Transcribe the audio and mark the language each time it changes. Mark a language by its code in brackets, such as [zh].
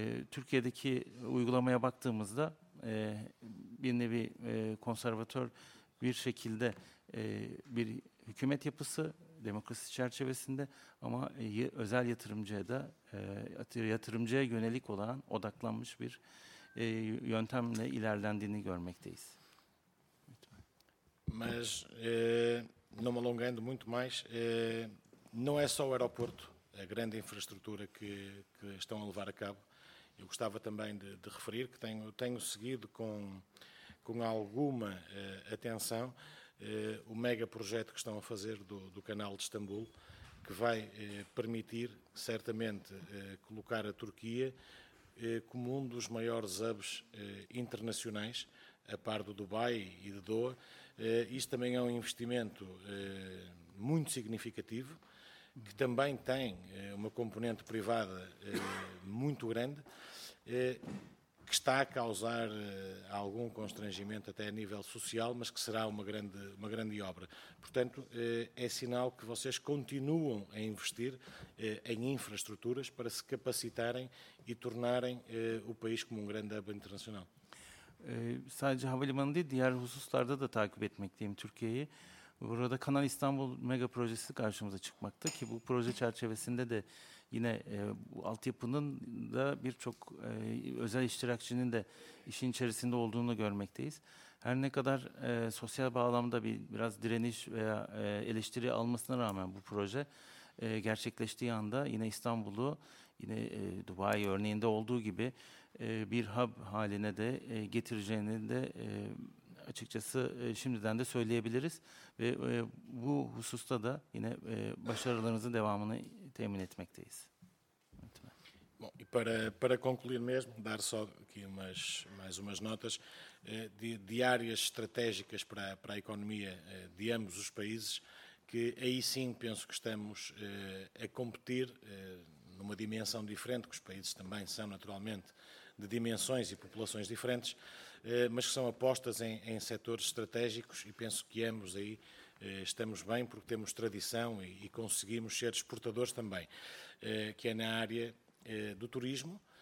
[tr] Türkiye'deki uygulamaya baktığımızda bir nevi konservatör bir şekilde bir hükümet yapısı demokrasi çerçevesinde ama özel yatırımcıya da yatırımcıya yönelik olan odaklanmış bir yöntemle ilerlendiğini görmekteyiz. [pt] Mas não me alongando muito mais, não é só o aeroporto, a grande infraestrutura que estão a levar a cabo. Eu gostava também de referir que tenho seguido com alguma atenção o megaprojeto que estão a fazer do canal de Istambul, que vai permitir, certamente, colocar a Turquia como um dos maiores hubs internacionais, a par do Dubai e de Doha. Isto também é um investimento muito significativo, que também tem uma componente privada muito grande, que está a causar algum constrangimento até a nível social, mas que será uma grande obra. Portanto, é sinal que vocês continuam a investir em infraestruturas para se capacitarem e tornarem o país como um grande hub internacional. [tr] Sadece havalimanı değil, diğer hususlarda da takip etmekteyim Türkiye'yi. Burada Kanal İstanbul mega projesi karşımıza çıkmakta ki bu proje çerçevesinde de yine bu altyapının da birçok özel iştirakçının da işin içerisinde olduğunu görmekteyiz. Her ne kadar sosyal bağlamda biraz direniş veya eleştiri almasına rağmen bu proje gerçekleştiği anda yine İstanbul'u, yine Dubai örneğinde olduğu gibi bir hub haline de getireceğini de açıkçası şimdiden de söyleyebiliriz. Ve bu hususta da yine başarılarımızın devamını temin etmekteyiz. [pt] Bom, e para concluir mesmo, dar só aqui mais umas notas de áreas estratégicas para a economia de ambos os países, que aí sim penso que estamos a competir numa dimensão diferente, que os países também são naturalmente de dimensões e populações diferentes, mas que são apostas em setores estratégicos e penso que ambos aí estamos bem porque temos tradição e conseguimos ser exportadores também, que é na área do turismo.